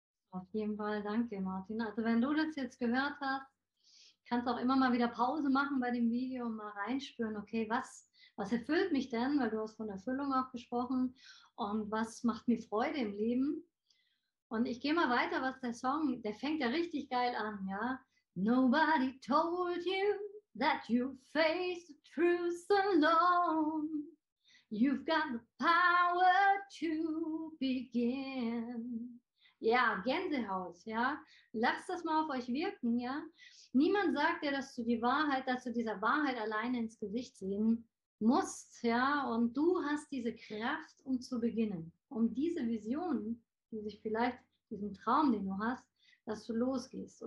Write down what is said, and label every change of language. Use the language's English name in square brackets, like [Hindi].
[German] Auf jeden Fall, danke Martin. Also wenn du das jetzt gehört hast, kannst auch immer mal wieder Pause machen bei dem Video und mal reinspüren, okay, was erfüllt mich denn, weil du hast von Erfüllung auch gesprochen, und was macht mir Freude im Leben? Und ich gehe mal weiter, was der Song, der fängt ja richtig geil an, ja. [English] Nobody told you that you face the truth alone. You've got the power to begin. [German] Ja, Gänsehaut, ja. Lasst das mal auf euch wirken, ja. Niemand sagt dir, dass du dieser Wahrheit alleine ins Gesicht sehen musst, ja. Und du hast diese Kraft, um zu beginnen. Um diese Vision, die sich vielleicht, diesen Traum, den du hast, dass du losgehst.